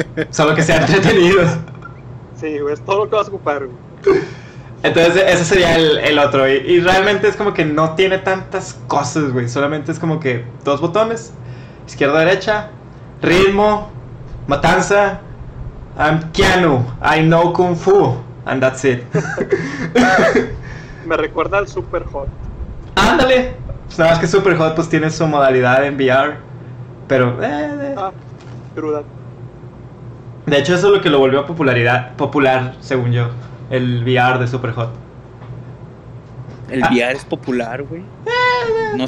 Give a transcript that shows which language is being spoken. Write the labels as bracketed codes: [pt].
[es] Solo que sean entretenidos. Sí, güey, es todo lo que vas a ocupar, güey. Entonces, ese sería el otro. Y realmente es como que no tiene tantas cosas, güey. Solamente es como que dos botones: izquierda, derecha, ritmo, matanza. [en] I'm Keanu, I know Kung Fu, and that's it. [es] Me recuerda al Super Hot. ¡Ándale! Pues nada más que Super Hot pues tiene su modalidad en VR. Pero. Ah, cruda. De hecho, eso es lo que lo volvió popular, según yo. El VR de Super Hot. El VR es popular, güey. No, no